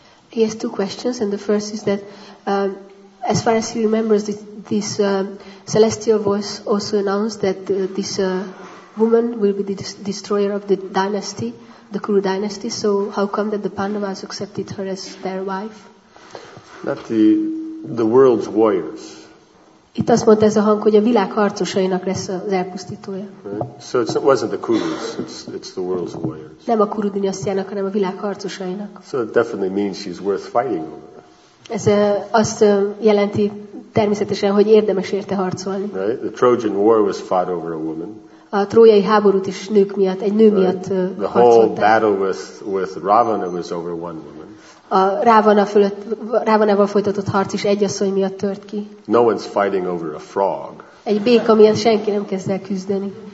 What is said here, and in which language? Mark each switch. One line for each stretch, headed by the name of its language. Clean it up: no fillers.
English: He has two questions, and the first is that, as far as he remembers, this celestial voice also announced that this woman will be the destroyer of the dynasty, the Kuru dynasty. So how come that the Pandavas accepted her as their wife? Not the world's warriors.
Hungarian: Itt azt mondta ez a hang, hogy a világ harcosainak lesz az elpusztítója.
English: Right. So it wasn't the Kurus, it's the world's warriors.
Hungarian: Nem a Kuru dinasztiának, hanem a világ harcosainak.
English: So it definitely means she's worth fighting over.
Hungarian: Ez azt jelenti természetesen, hogy érdemes érte harcolni.
English: Right. The Trojan War was fought over a woman.
Hungarian: A trójai háborút is nők miatt, egy nő miatt harcolták.
English: The whole battle with Ravana was over one woman.
Hungarian: A Ravana fölött, Ravanával folytatott harc is egy asszony miatt tört ki.
English: No one's fighting over a frog.
Hungarian: Egy béka miatt senki nem kezd el küzdeni.